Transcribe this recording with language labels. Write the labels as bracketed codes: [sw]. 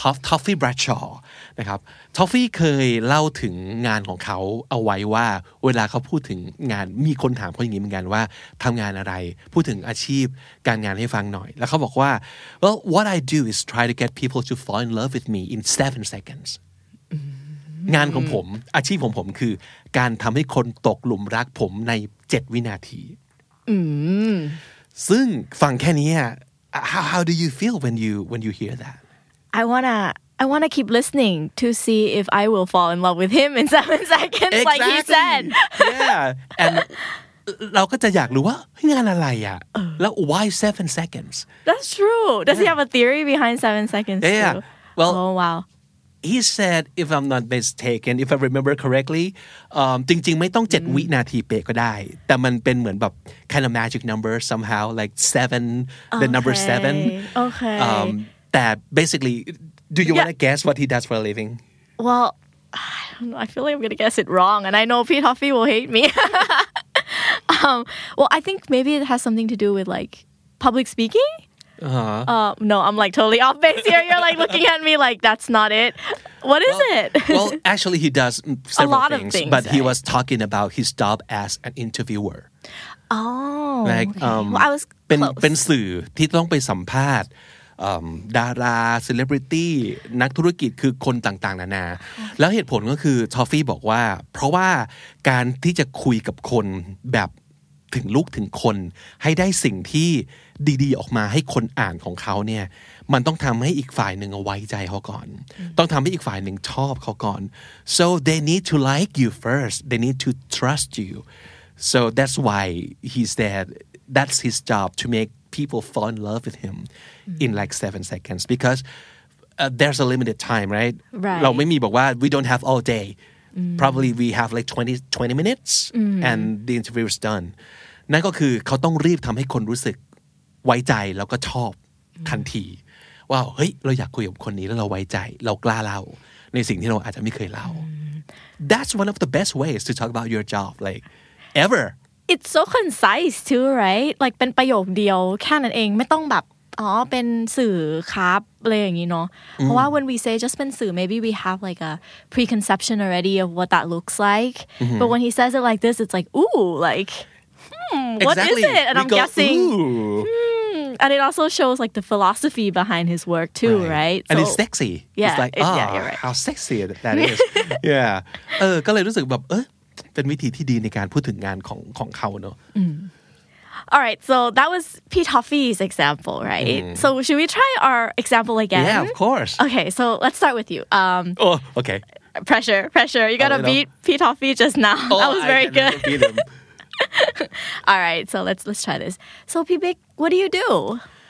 [th] ทอฟฟี่ Bradshaw นะครับทอฟฟี่เคยเล่าถึงงานของเขาเอาไว้ว่าเวลาเขาพูดถึงงานมีคนถามเขาอย่างนี้เหมือนกันว่าทำงานอะไรพูดถึงอาชีพการงานให้ฟังหน่อยแล้วเขาบอกว่า [en] well what I do is try to get people to fall in love with me in 7 seconds [th] งานของผมอาชีพของผมคือการทำให้คนตกหลุมรักผมใน7 วินาทีซึ่งฟังแค่นี้ [en] how do you feel when you hear that I wanna keep listening to see if I will fall in love with him in 7 seconds exactly. like he said yeah and [th] เราก็จะอยากรู้ว่างานอะไรอ่ะแล้ว [en] why 7 seconds that's true does he have a theory behind 7 seconds yeah too? well oh wow He said, if I'm not mistaken, if I remember correctly, [th] จริงๆไม่ต้อง7วินาทีเป๊ะก็ได้แต่มันเป็นเหมือนแบบ [en] kind of magic number somehow, like 7, okay. the number 7. Okay. That basically, do you want to guess what he does for a living? Well, I don't know. I feel like I'm going to guess it wrong, and I know Pete Huffy will hate me. Well, I think maybe it has something to do with like public speaking. Uh-huh. No, I'm like totally off base here. You're like looking at me like that's not it. What is it? Well, actually, he does several a lot of things, but he was talking about his job as an interviewer. Oh, like, okay. Well, I was close. [th] เป็นสื่อที่ต้องไปสัมภาษณ์ดาราเซเลบริตี้นักธุรกิจคือคนต่างๆนานา [en] okay. [th] แล้วเหตุผลก็คือทอฟฟี่บอกว่าเพราะว่าการที่จะคุยกับคนแบบถึงลูกถึงคนให้ได้สิ่งที่ ดีๆออกมาให้คนอ่านของเขาเนี่ยมันต้องทำให้อีกฝ่ายนึงไว้ใจเขาก่อน [en] mm-hmm. [th] ต้องทำให้อีกฝ่ายนึงชอบเขาก่อน [en] so they need to like you first they need to trust youSo that's why he said that's his job to make people fall in love with him mm-hmm. in like 7 seconds because there's a limited time, right? Right. [th] เราไม่มีบอกว่า [en] we don't have all day. Mm-hmm. Probably we have like 20 minutes mm-hmm. and the interview is done. [th] นั่นก็คือเขาต้องรีบทำให้คนรู้สึกไว้ใจแล้วก็ชอบทันทีว่าเฮ้ยเราอยากคุยกับคนนี้แล้วเราไว้ใจเรากล้าเล่าในสิ่งที่เราอาจจะไม่เคยเล่า [en] That's one of the best ways to talk about your job, like. Ever. It's so concise too, right? Like, [th] เป็นประโยคเดียวแค่นั้นเองไม่ต้องแบบอ๋อเป็นสื่อครับอะไรอย่างนี้เนาะเพราะว่า [en] when we say just [th] เป็นสื่อ [en] maybe we have like a preconception already of what that looks like. Mm-hmm. But when he says it like this, it's like, ooh, like, what exactly. is it? And we I'm go, guessing. Ooh. And it also shows like the philosophy behind his work too, right? Right? And so, it's sexy. Yeah. It's like, oh, yeah, right. how sexy that is. yeah. [th] ก็เลยรู้สึกแบบเป็นวิธีที่ดีในการพูดถึงงานของเขาเนอะ [en] All right, so that was Pete Huffy's example, right? So should we try our example again? Yeah, of course. Okay, so let's start with you. Oh, okay. Pressure. You gotta beat Pete Huffy just now. Oh, that was very good. I can never beat him. All right, so let's try this. So, Pibik, what do you do?